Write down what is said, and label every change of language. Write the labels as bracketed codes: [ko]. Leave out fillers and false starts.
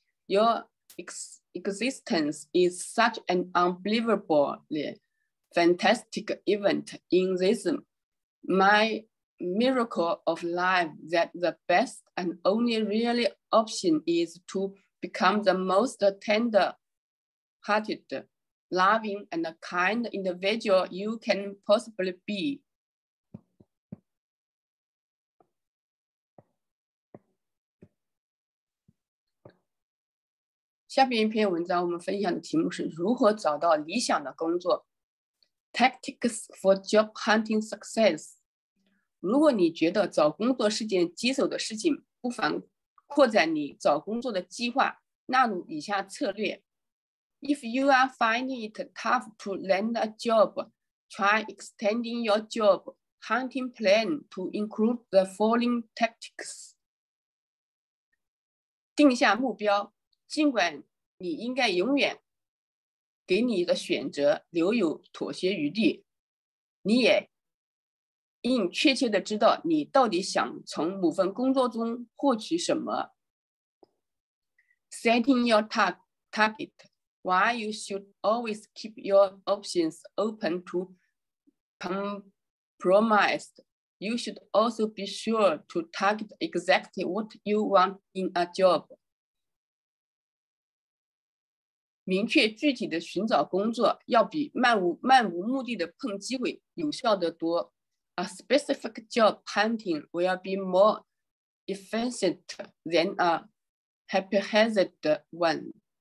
[en] Your existence is such an unbelievably fantastic event in this my miracle of life that the best and only really option is to. Become the most tender-hearted, loving, and kind individual you can possibly be. [zh] 下面一篇文章我们分享的题目是如何找到理想的工作 , [en] Tactics for job hunting success. [zh] 如果你觉得找工作是件棘手的事情，不妨扩展你找工作的计划。纳入以下策略。 [en] If you are finding it tough to land a job, try extending your job hunting plan to include the following tactics. [zh] 定下目标，尽管你应该永远给你的选择留有妥协余地，你也应确切地知道你到底想从某份工作中获取什么。 [en] Setting your target, why you should always keep your options open to compromise. You should also be sure to target exactly what you want in a job. [zh] 明确具体的寻找工作要比漫无目的的碰机会有效得多。 [en] A specific job hunting will be more efficient than aHaphazard one.